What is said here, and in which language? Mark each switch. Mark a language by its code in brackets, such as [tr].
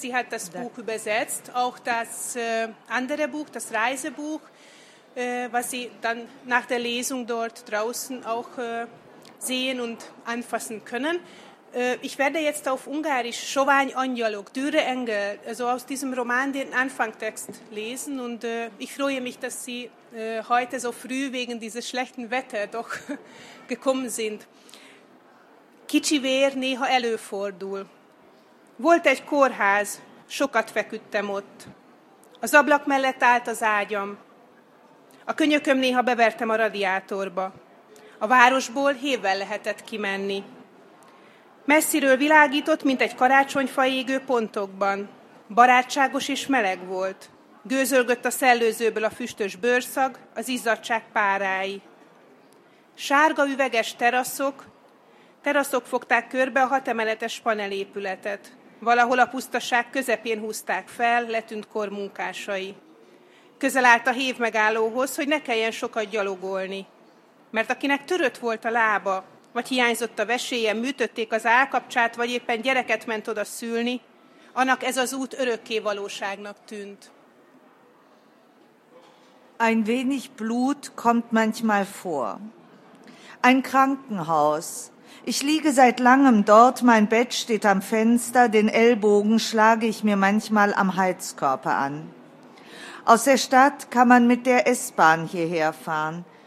[de] Sie hat das Buch übersetzt, auch das andere Buch, das Reisebuch, was Sie dann nach der Lesung dort draußen auch sehen und anfassen können. Ich werde jetzt auf Ungarisch Sovány Angyalok, Dürre Engel, also aus diesem Roman den Anfangtext lesen. Und ich freue mich, dass Sie heute so früh wegen dieses schlechten Wetter doch gekommen sind. [hu] Kicsi vér néha előfordul. Volt egy kórház, sokat feküdtem ott. Az ablak mellett állt az ágyam. A könyököm néha bevertem a radiátorba. A városból hévvel lehetett kimenni. Messziről világított, mint egy karácsonyfa égő pontokban. Barátságos és meleg volt. Gőzölgött a szellőzőből a füstös bőrszag, az izzadság párái. Sárga üveges teraszok fogták körbe a hatemeletes panelépületet. Valahol a pusztaság közepén húzták fel, letűnt kor munkásai. Közel állt a hév megállóhoz, hogy ne kelljen sokat gyalogolni. Mert akinek törött volt a lába, vagy hiányzott a vesélye, műtötték az állkapcsát, vagy éppen gyereket ment oda szülni, annak ez az út örökké valóságnak tűnt. [de] Ein wenig Blut kommt manchmal vor. Ein Krankenhaus. Ich liege seit langem dort, mein Bett steht am Fenster, den Ellbogen schlage ich mir manchmal am Heizkörper an. Aus der Stadt kann man mit der S-Bahn hierher fahren.